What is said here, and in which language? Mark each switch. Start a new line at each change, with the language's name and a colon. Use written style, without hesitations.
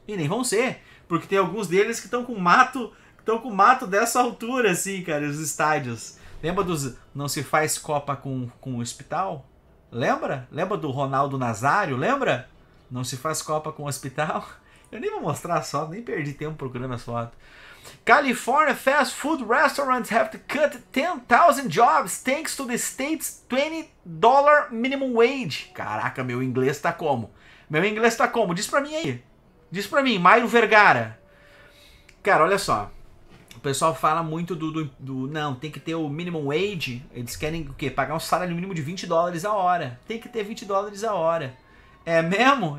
Portuguese: E nem vão ser, porque tem alguns deles que estão com mato dessa altura, assim, cara, os estádios. Lembra dos Não Se Faz Copa com o Hospital? Lembra? Lembra do Ronaldo Nazário? Lembra? Não Se Faz Copa com o Hospital? Eu nem vou mostrar só, nem perdi tempo procurando as fotos.
English: California fast food restaurants have to cut 10,000 jobs thanks to the state's $20 minimum wage.
Portuguese: Caraca, meu inglês tá como? Meu inglês tá como? Diz pra mim aí. Diz pra mim, Mairo Vergara. Cara, olha só. O pessoal fala muito do não, tem que ter o minimum wage. Eles querem o quê? Pagar um salário mínimo de $20 a hora. Tem que ter $20 a hora. É mesmo?